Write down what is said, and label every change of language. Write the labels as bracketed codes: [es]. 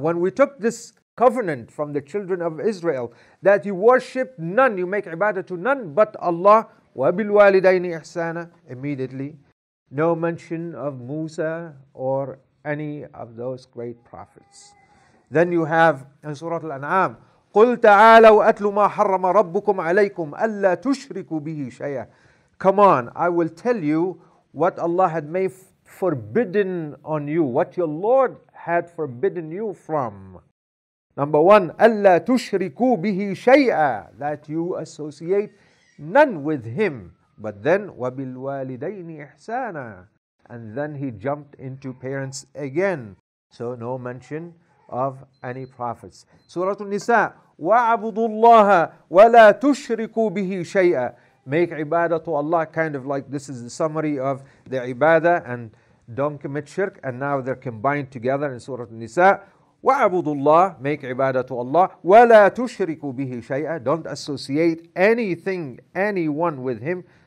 [en] When we took this covenant from the children of Israel that you worship none, you make ibadah to none but Allah. [ar] وَبِالْوَالِدَيْنِ إِحْسَانًا. [en] Immediately, no mention of Musa or any of those great prophets. Then you have in Surah Al-An'am, [ar] قُلْ تَعَالَوْا أَتْلُ مَا حَرَّمَ رَبُّكُمْ عَلَيْكُمْ أَلَّا تُشْرِكُوا بِهِ شَيْئًا. [en] Come on, I will tell you what Allah had made forbidden on you, what your Lord had forbidden you from. Number one, [ar] أَلَّا تُشْرِكُوا بِهِ شَيْئًا, [en] that you associate none with Him. But then, [ar] وَبِالْوَالِدَيْنِ إِحْسَانًا. [en] And then he jumped into parents again. So no mention of any prophets. [ar] Surah An-Nisa, وَعَبُدُوا اللَّهَ وَلَا تُشْرِكُوا بِهِ شَيْئًا. [en] make ibadah to Allah, kind of like this is the summary of the ibadah, and don't commit shirk, and now they're combined together in Surah An-Nisa. [ar] وَعَبُدُ اللَّهِ [en] make ibadah to Allah. [ar] وَلَا تُشْرِكُ بِهِ شَيْئًا [en] don't associate anything, anyone with him.